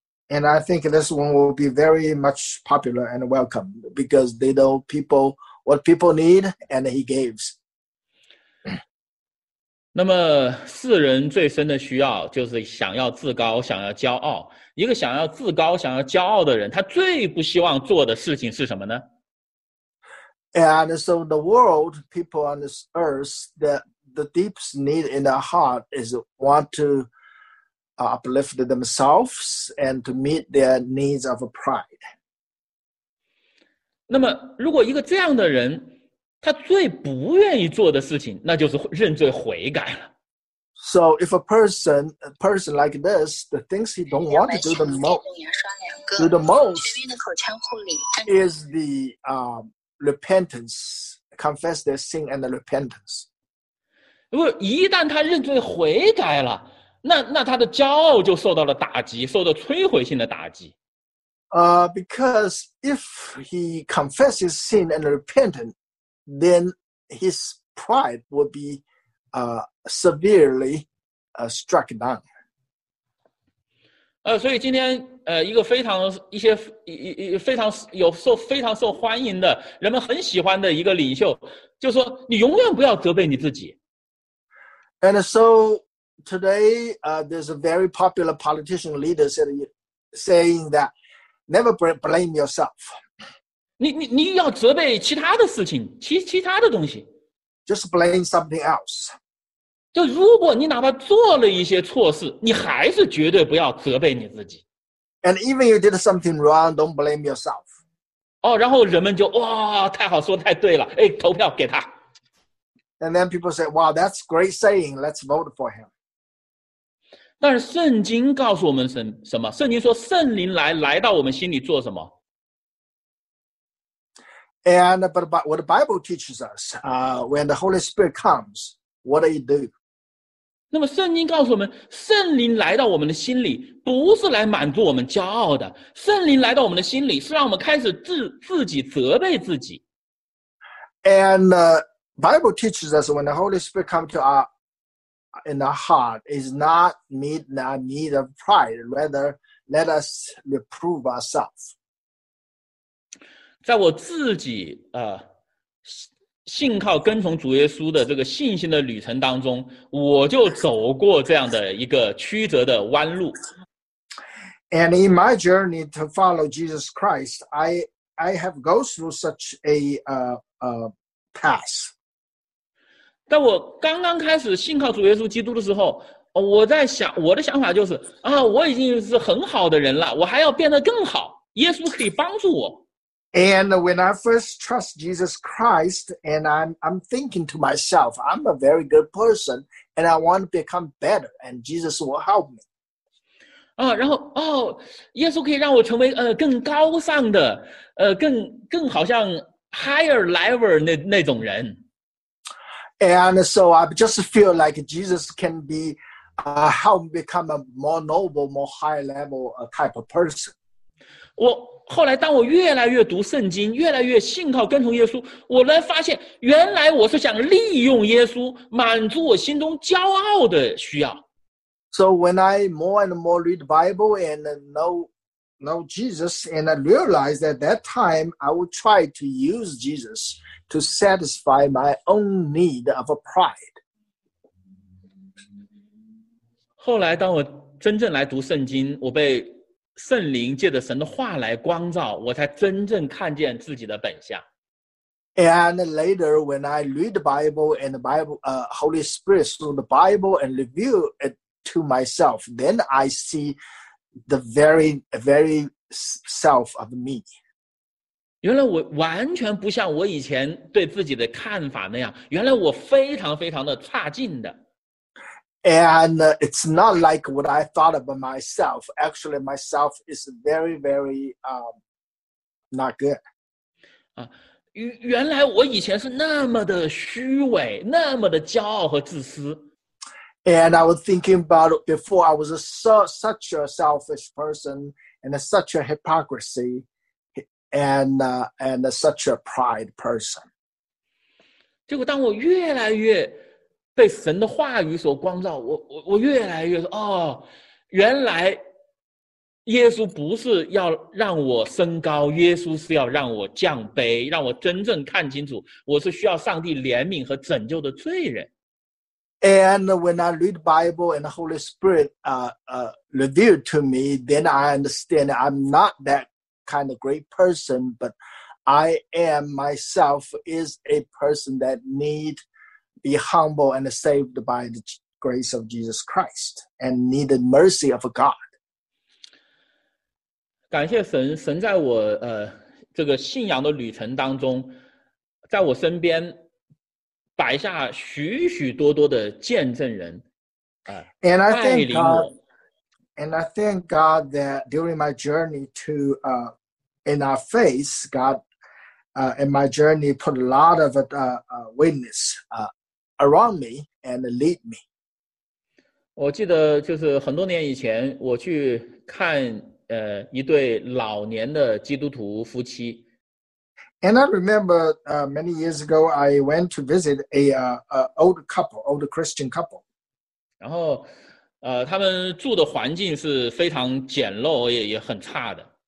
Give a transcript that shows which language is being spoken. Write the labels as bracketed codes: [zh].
[en] And I think this one will be very much popular and welcome because they know people what people need, and he gives. [zh] 那么世人最深的需要就是想要自高，想要骄傲。一个想要自高，想要骄傲的人，他最不希望做的事情是什么呢？ [en] And so the world, people on this earth, the deepest need in their heart is want to. Uplift themselves and to meet their needs of pride. [zh] 那么如果一个这样的人他最不愿意做的事情那就是认罪悔改了。 [en] So if a person like this, the things he don't want to do the most is the repentance, confess their sin and the repentance. [zh] 如果一旦他认罪悔改了那他的骄傲就受到了打击，受到摧毁性的打击。 [en] Because if he confesses sin and repentant, then his pride will be severely struck down. [zh] 所以今天一个非常一些一非常有受非常受欢迎的人们很喜欢的一个领袖，就说你永远不要责备你自己。 [en] And so. Today, there's a very popular politician leader saying that never blame yourself. [zh] 你要责备其他的事情，其他的东西。 [en] Just blame something else. [zh] 就如果你哪怕做了一些错事，你还是绝对不要责备你自己。 [en] And even you did something wrong, don't blame yourself. [zh] 然后人们就哇，太好，说太对了，哎，投票给他。 [en] And then people say, "Wow, that's great saying. Let's vote for him." [zh] 但是圣经告诉我们什么？圣经说圣灵来到我们心里做什么 [en] ？And but what the Bible teaches us, when the Holy Spirit comes, what do you do? [zh] 那么圣经告诉我们，圣灵来到我们的心里，不是来满足我们骄傲的。圣灵来到我们的心里，是让我们开始自己责备自己。 [en] And Bible teaches us when the Holy Spirit comes to ourin our heart is not meet the need of pride, rather let us reprove ourselves. [zh] 在我自己信靠跟从主耶稣的这个信心的旅程当中，我就走过这样的一个曲折的弯路。 [en] And in my journey to follow Jesus Christ, I have go through such a path. [zh] 当我刚刚开始信靠主耶稣基督的时候，我在想，我的想法就是啊，我已经是很好的人了，我还要变得更好，耶稣可以帮助我。 [en] And when I first trust Jesus Christ, and I'm thinking to myself, I'm a very good person, and I want to become better, and Jesus will help me. [zh] 啊，然后哦，耶稣可以让我成为更高尚的，更好像 [en] higher level [zh] 那种人。 [en] And so I just feel like Jesus can be, help become a more noble, more high level type of person. [zh] 我后来当我越来越读圣经，越来越信靠跟从耶稣，我来发现原来我是想利用耶稣满足我心中骄傲的需要。 [en] So when I more and more read the Bible and know Jesus, and I realized at that time I would try to use Jesus to satisfy my own need of a pride. [zh] 后来当我真正来读圣经，我被圣灵借着神的话来光照，我才真正看见自己的本相。 [en] And later, when I read the Bible and the Bible, Holy Spirit through the Bible and review it to myself, then I see the very, very self of me. [zh] 原来我完全不像我以前对自己的看法那样，原来我非常非常的差劲的。 [en] And it's not like what I thought about myself. Actually, myself is very, very not good. [zh] 原来我以前是那么的虚伪，那么的骄傲和自私。 [en] And I was thinking about before I was such a selfish person and such a hypocrisy and such a pride person. [zh] 结果当我越来越被神的话语所光照，我越来越说，哦，原来耶稣不是要让我升高，耶稣是要让我降卑，让我真正看清楚我是需要上帝怜悯和拯救的罪人。 [en] And when I read the Bible and the Holy Spirit revealed to me, then I understand I'm not that kind of great person, but I am myself is a person that needs be humble and saved by the grace of Jesus Christ and need the mercy of God. [zh] 感谢神，神在我这个信仰的旅程当中，在我身边摆下许许多多的见证人。 [en] And I thank God that during my journey to in our faith, God in my journey put a lot of witness around me and lead me. [zh] 我记得就是很多年以前我去看一对老年的基督徒夫妻。 [en] And I remember many years ago I went to visit an old Christian couple. [zh] 然后他们住的环境是非常简陋也很差的。